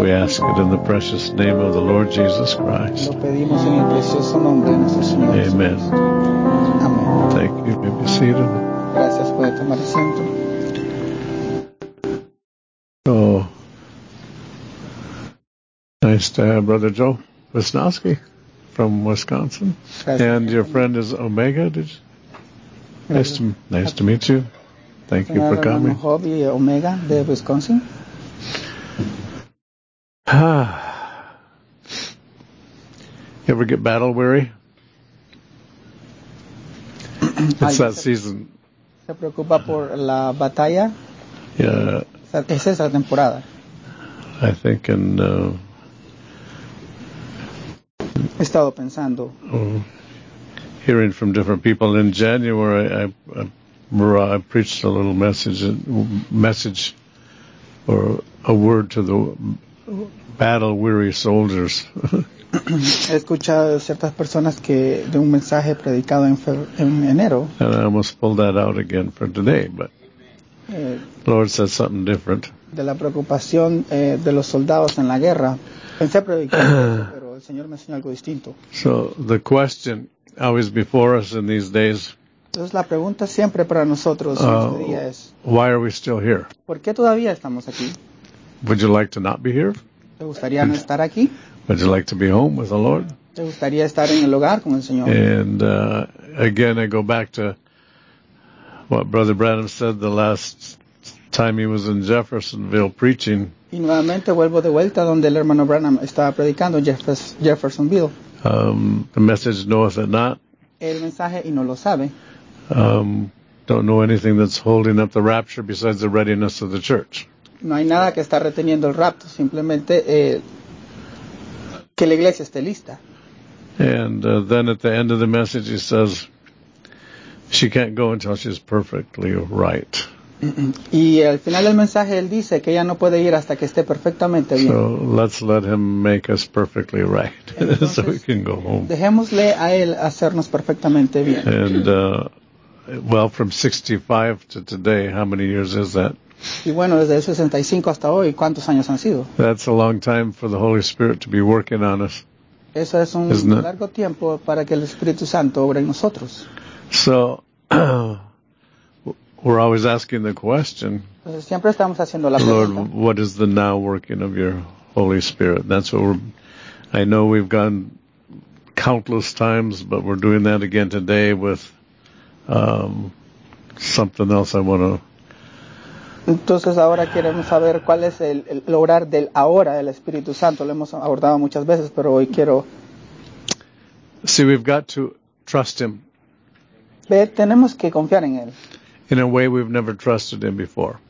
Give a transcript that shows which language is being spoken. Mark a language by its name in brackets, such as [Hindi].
[English] We ask it in the precious name of the Lord Jesus Christ. [Spanish] Lo pedimos en el precioso nombre de nuestro Señor. [English] Amen. Amen. Thank you. You may be seated. [Spanish] Gracias, puede tomar asiento. [English] Nice to have Brother Joe Wisnowski from Wisconsin. And your friend is Omega. Nice to meet you. Thank you for coming. [Spanish] Hobby Omega de Wisconsin. [English] You ever get battle weary? It's that season. [Spanish] Se preocupa por la batalla. [English] Yeah. [Spanish] Es esa temporada. [English] I think in... [Spanish] He estado pensando. [English] Hearing from different people in January, I preached a little message or a word to the battle weary soldiers. [Spanish] He escuchado ciertas personas que de un mensaje predicado en enero. [English] And I almost pulled that out again for today, but the Lord said something different. [Spanish] De la preocupación de los soldados en la guerra. Pensé predicar. Señor me enseñó algo distinto. [English] So the question always before us in these days. [Spanish] Entonces la pregunta siempre para nosotros en este día es. [English] Why are we still here? [Spanish] ¿Por qué todavía estamos aquí? [English] Would you like to not be here? [Spanish] ¿Te gustaría no estar aquí? [English] Would you like to be home with the Lord? [Spanish] ¿Te gustaría estar en el hogar con el Señor? [English] And again, I go back to what Brother Branham said the last time he was in Jeffersonville preaching. [Spanish] Y nuevamente vuelvo de vuelta donde el hermano Branham estaba predicando en Jeffersonville. [English] The message knoweth it not. [Spanish] El mensaje y no lo sabe. [English] Don't know anything that's holding up the rapture besides the readiness of the church. [Spanish] No hay nada que está reteniendo el rapto, simplemente que la iglesia esté lista. [English] And then at the end of the message he says, she can't go until she's perfectly right. [Spanish] Y al final del mensaje él dice que ella no puede ir hasta que esté perfectamente bien. [English] So let's let him make us perfectly right. [Spanish] Entonces, [English] so we can go home. [Spanish] Dejémosle a él hacernos perfectamente bien. [English] And well, from 65 to today, how many years is that? [Spanish] Y bueno, desde el 65 hasta hoy, ¿cuántos años han sido? [English] That's a long time for the Holy Spirit to be working on us. [Spanish] Eso es un largo tiempo para que el Espíritu Santo obre en nosotros. [English] So we're always asking the question, [Spanish] siempre estamos haciendo la pregunta, [English] Lord, what is the now working of your Holy Spirit? That's what we're, I know we've gone countless times, but we're doing that again today with something else I want to. [Spanish] Entonces ahora queremos saber cuál es el orar del ahora del Espíritu Santo. Lo hemos abordado muchas veces, pero hoy quiero. [English] See, we've got to trust him. [Spanish] tenemos que confiar en Él. [English] In a way we've never trusted Him before.